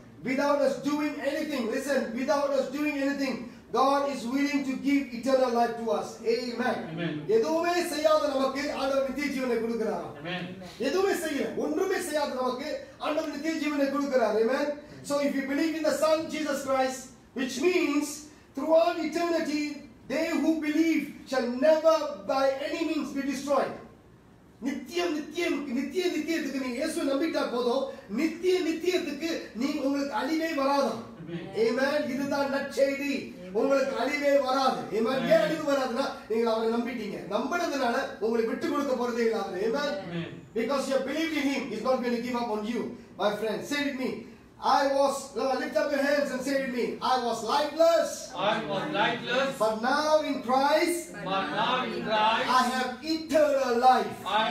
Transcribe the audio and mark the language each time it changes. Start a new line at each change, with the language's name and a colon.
English: without us doing anything, listen, without us doing anything, God is willing to give eternal life to us. Amen.
Tamil: எதுவுமே செய்யாத நமக்கு ஆண்டவர் நித்திய ஜீவனை கொடுக்கிறார்.
English: Amen.
Tamil: எதுவுமே செய்யல, ஒன்றுமே செய்யாத நமக்கு ஆண்டவர் நித்திய ஜீவனை கொடுக்கிறார்.
English: Amen. So if you believe in the Son, Jesus Christ, which means throughout eternity, they who believe shall never by any means be destroyed.
Tamil: நித்தியம் நித்தியம் நித்திய நித்தியத்துக்கு நீங்க இயேசு நம்பிட்டா போதும், நித்திய நித்தியத்துக்கு நீங்க உங்களுக்கு அழிவே வராது. Amen. இதுதான் நற்செய்தி, உங்களுக்கு அழிவே வராது. Amen. ஏன் அழிவு வராதுன்னா நீங்க அவரை நம்பிட்டீங்க, நம்பினதுனால உங்களை விட்டு கொடுக்க போறதே இல்லாத.
English: Amen. Because you believe in him, he's not going to give up on you. My friend, say with me, I was, lift up your hands and say with me, I was lifeless, but now in Christ, I have eternal life.